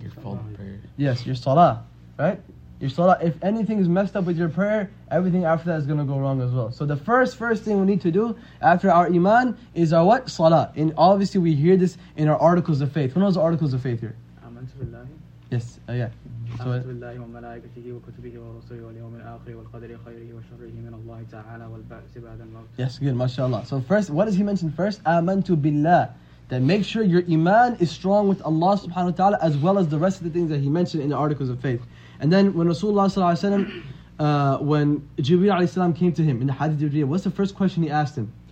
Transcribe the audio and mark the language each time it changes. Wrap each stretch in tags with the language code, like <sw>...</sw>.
<en>Your fard prayer. Yes, your salah, right? Your salah. If anything is messed up with your prayer, everything after that is going to go wrong as well. So the first thing we need to do after our iman is our what? Salah. And obviously we hear this in our articles of faith. Who knows the articles of faith here?</en> <ar>Amantu billahi.</ar> <en>Yes, yeah.</en> <ar>أمنت بالله وملائكته وكتبه ورسله واليوم الآخر والقدر خيره وشره من الله تعالى والبعث بعد الموت.</ar> <en>Yes, good, mashallah. So first, what does he mention first?</en> <ar>أمنت بالله.</ar> <en>Then make sure your iman is strong with Allah subhanahu wa ta'ala as well as the rest of the things that he mentioned in the articles of faith. And then when Rasulullah sallallahu alayhi wa sallam, when Jibreel alayhi salam came to him in the Hadith Jibreel, what's the first question he asked him?</en>